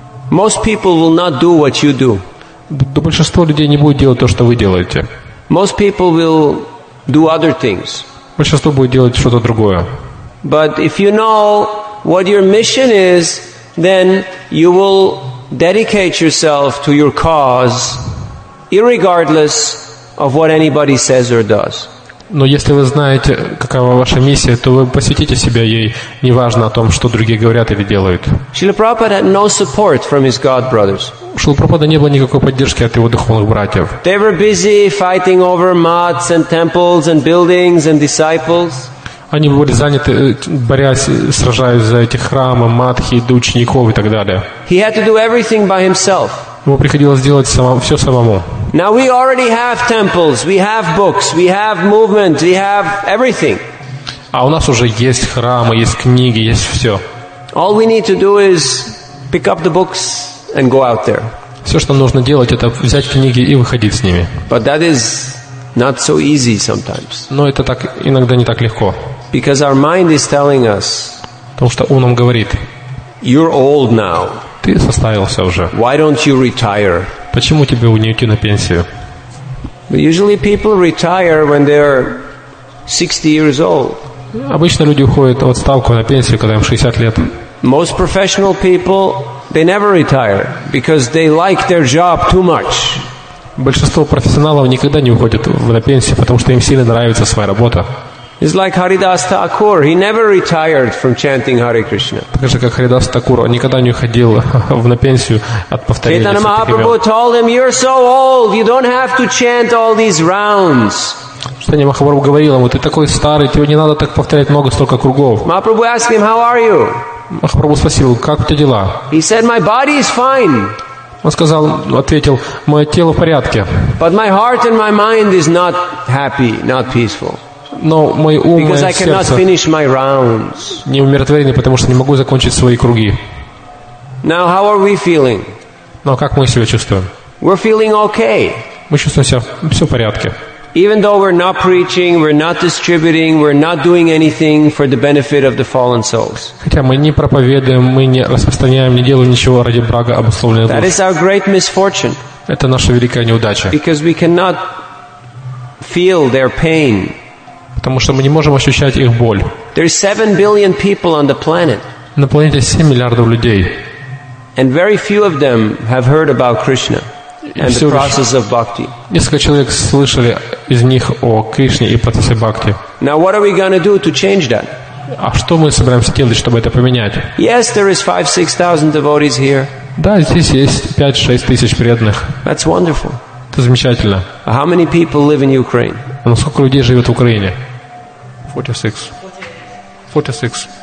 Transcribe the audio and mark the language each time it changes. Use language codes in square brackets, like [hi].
[en] most people will not do what you do. [ru] Большинство людей не будет делать то, что вы делаете. [en] Most people will do other things. [ru] Большинство будет делать что-то другое. [en] But if you know what your mission is, then you will dedicate yourself to your cause, irregardless of what anybody says or does. [ru] Но если вы знаете, какова ваша миссия, то вы посвятите себя ей, неважно о том, что другие говорят или делают. [en] Шрила Прабхупада had no support from his god brothers. [ru] У Шрилы Прабхупады не было никакой поддержки от его духовных братьев. [en] They were busy fighting over mats and temples and buildings and disciples. [ru] Они были заняты, борясь, сражаясь за эти храмы, матхи, учеников и так далее. [en] He had to do everything by himself. [ru] Ему приходилось делать все самому. [en] Now we already have temples, we have books, we have movement, we have everything. [ru] А у нас уже есть храмы, есть книги, есть все. [en] All we need to do is pick up the books and go out there. [ru] Все, что нужно делать, это взять книги и выходить с ними. [en] But that is not so easy sometimes. [ru] Но это так иногда не так легко. [en] Because our mind is telling us. [ru] Потому что ум нам говорит. [en] You're old now. [ru] Ты состарился уже. [en] Why don't you retire? [ru] Почему тебе не уйти на пенсию? [en] But usually people retire when they're 60 years old. [ru] Обычно люди уходят в отставку на пенсию, когда им 60 лет. [en] Most professional people, they never retire because they like their job too much. [ru] Большинство профессионалов никогда не уходят на пенсию, потому что им сильно нравится своя работа. [en] It's like Haridas Thakur. He never retired from chanting Hare Krishna. [ru] Так же, как Харидас Такур, он никогда не уходил в на пенсию от повторения. [en] Чайтанья Махапрабху told him, "You're so old. You don't have to chant all these rounds." [ru] Чайтанья Махапрабху говорил ему, "Ты такой старый, тебе не надо так повторять много столько кругов." [en] Махапрабху asked him, "How are you?" [ru] Махапрабху спросил, "Как у тебя дела?" [en] He said, "My body is fine." [ru] Он сказал, ответил, "Мое тело в порядке." [en] But my heart and my mind is not happy, not peaceful. [ru] Но мой ум, [en] because [ru] мое [en] I cannot finish my rounds. [ru] Не умиротворены, потому что не могу закончить свои круги. [en] Now how are we feeling? [ru] Но как мы себя чувствуем? [en] We're feeling okay. [ru] Мы чувствуем себя все в порядке. [en] Even though we're not preaching, we're not distributing, we're not doing anything for the benefit of the fallen souls. [ru] Хотя мы не проповедуем, мы не распространяем, не делаем ничего ради блага обусловленных душ. [en] That is our great misfortune. [ru] Это наша великая неудача. [en] Because we cannot feel their pain. [ru] Потому что мы не можем ощущать их боль. [en] There's 7 billion people on the planet. [ru] На планете 7 миллиардов людей. [en] And very few of them have heard about Krishna and the process of bhakti. [ru] Несколько человек слышали из них о Кришне и процессе бхакти. [en] Now what are we going to do to change that? [ru] А что мы собираемся делать, чтобы это поменять? [en] Yes, there is 5-6 thousand devotees here. [ru] Да, здесь есть 5-6 тысяч преданных. [en] That's wonderful. [ru] Это замечательно. [en] How many people live in Ukraine? [ru] Ну, сколько людей живет в Украине? [en] 46. [ru] 46.